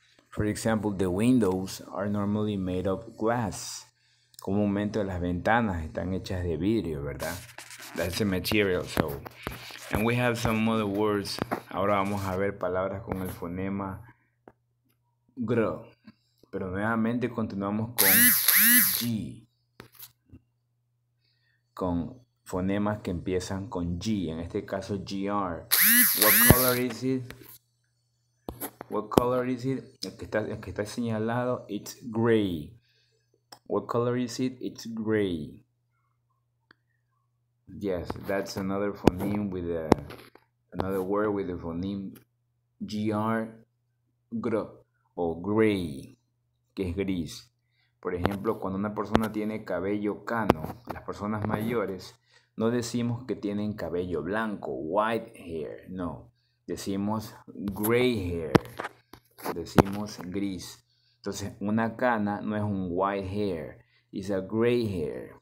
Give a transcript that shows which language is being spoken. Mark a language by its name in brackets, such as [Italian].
[English] For example, the windows are normally made of glass. [Spanish] Comúnmente las ventanas están hechas de vidrio, ¿verdad? [English] That's the material, so. And we have some other words. [Spanish] Ahora vamos a ver palabras con el fonema gr. Pero nuevamente continuamos con G. Con fonemas que empiezan con G. En este caso, GR. [English] What color is it? What color is it? [Spanish] El que está señalado, [English] it's gray. What color is it? It's gray. Yes, that's another phoneme with another word with the phoneme GR, gr, o gray, [Spanish] que es gris. Por ejemplo, cuando una persona tiene cabello cano, las personas mayores, no decimos que tienen cabello blanco, [English] white hair, [Spanish] no. Decimos gray hair, decimos gris. Entonces, una cana no es un [English] white hair, it's a gray hair.